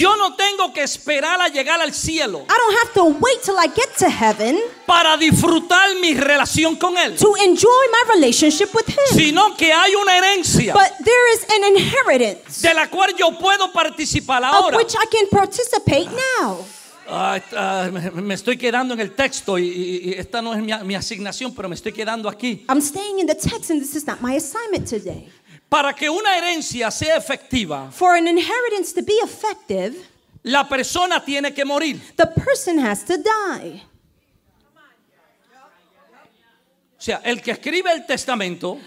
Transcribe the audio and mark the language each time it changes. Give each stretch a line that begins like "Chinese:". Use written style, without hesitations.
Spanish: Yo no tengo que esperar a llegar al cielo.
English: I don't have to wait till I get to heaven.
Spanish: Para disfrutar mi relación con él.
English: To enjoy my relationship with him.
Spanish: Sino que hay una herencia.
English: But there is an inheritance.
Spanish: De la cual yo puedo participar ahora.
English: Of which I can participate now.
Spanish: Me estoy quedando en el texto y esta no es mi asignación, pero me estoy quedando aquí.
English: I'm staying in the text and this is not my assignment today.
Spanish: Para que una herencia sea efectiva,
English: for an inheritance to be effective,
Spanish: la persona tiene que morir.
English: The person has to die.
Spanish: O sea, el que escribe el testamento,